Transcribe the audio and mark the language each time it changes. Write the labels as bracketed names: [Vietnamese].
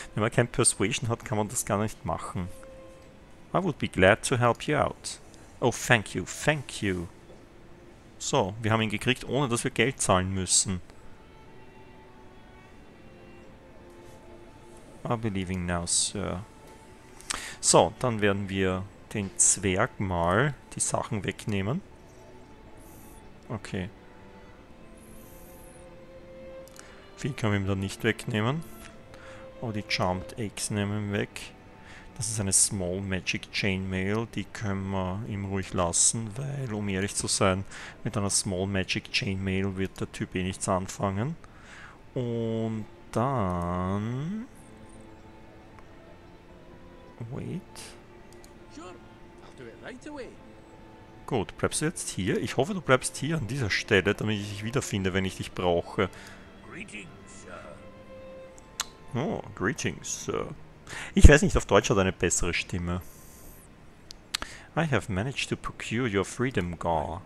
[German] Wenn man kein Persuasion hat, kann man das gar nicht machen. [English] I would be glad to help you out. Oh, thank you, thank you. [German] So, wir haben ihn gekriegt, ohne dass wir Geld zahlen müssen. [English] I'll be leaving now, sir. [German] So, dann werden wir... den Zwerg mal die Sachen wegnehmen. Okay. Viel können wir ihm dann nicht wegnehmen. Oh, die Charmed Eggs nehmen wir weg. Das ist eine Small Magic Chainmail. Die können wir ihm ruhig lassen, weil, um ehrlich zu sein, mit einer Small Magic Chainmail wird der Typ eh nichts anfangen. Und dann... [English] Wait. Sure. I'll do it right away. [German] Gut, bleibst du jetzt hier? Ich hoffe, du bleibst hier an dieser Stelle, damit ich dich wiederfinde, wenn ich dich brauche. [English] Greetings, sir. Oh, greetings, sir. [German] Ich weiß nicht, auf Deutsch hat er eine bessere Stimme. [English] I have managed to procure your freedom, Gar.